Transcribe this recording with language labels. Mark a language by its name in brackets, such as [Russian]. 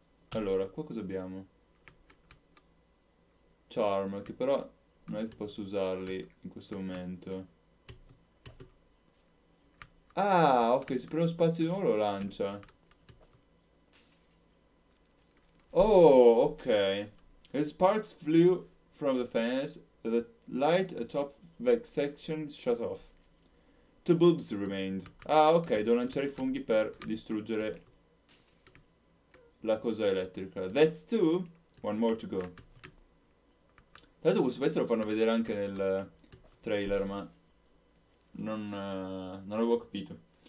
[Italian] Allora, qua cosa abbiamo? Charm, che però non è che posso usarli in questo momento. Ah, ok, se prendo spazio di nuovo lo lancia. Oh, ok. [English] The sparks flew from the fence, the light atop the section shut off. Two bulbs remained. [Italian] Ah, ok, devo lanciare i funghi per distruggere la cosa elettrica. [English] That's two. One more to go. [Italian] Tanto questo pezzo lo fanno vedere anche nel trailer, ma non avevo capito.